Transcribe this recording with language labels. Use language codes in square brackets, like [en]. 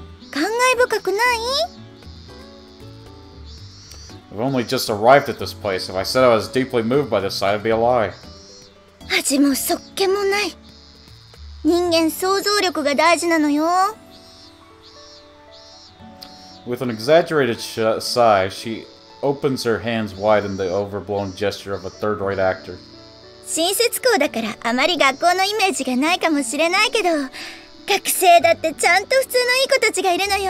[ja] 感慨深くない？ [en] I've only just arrived at this place. If I said I was deeply moved by this sight, it'd be a lie. [ja] 味もそっけもない。人間想像力が大事なのよ。 [en] With an exaggerated sigh, she opens her hands wide in the overblown gesture of a third-rate actor. [ja] 新設校だからあまり学校のイメージがないかもしれないけど、学生だってちゃんと普通のいい子たちがいるのよ。